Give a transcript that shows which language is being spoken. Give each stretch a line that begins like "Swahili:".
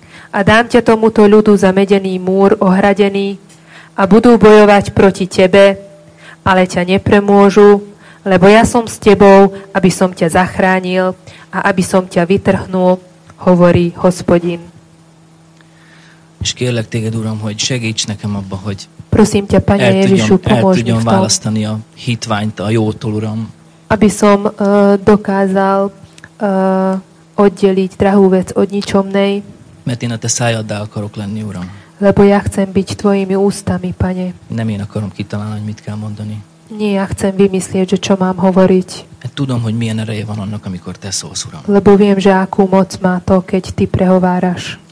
Slovak: A dám ťa tomuto ľudu za medený múr ohradený a budú bojovať proti tebe, ale ťa nepremôžu, lebo ja som s tebou, aby som ťa zachránil a aby som ťa vytrhnul, hovorí Hospodin.
Hungarian: És kérlek téged, Uram, hogy segíts nekem abba, hogy
Slovak: prosím ťa, Pane Ježišu, pomôž mi v tom,
Hungarian: választani a hitványt a jótól, Uram.
Slovak: Aby som dokázal oddeliť drahú vec od ničomnej.
Hungarian: Mert én a te szájaddá akarok lenni, Uram.
Slovak: Lebo ja chcem byť tvojimi ústami, Pane.
Hungarian: Nem én akarom kitalálni, mit kell mondani.
Slovak: Nie, ja chcem vymyslieť, že čo mám hovoriť.
Hungarian: Tudom, hogy milyen ereje van annak, amikor te szólsz, Uram.
Slovak: Lebo viem, že akú moc má to, keď ty prehováraš.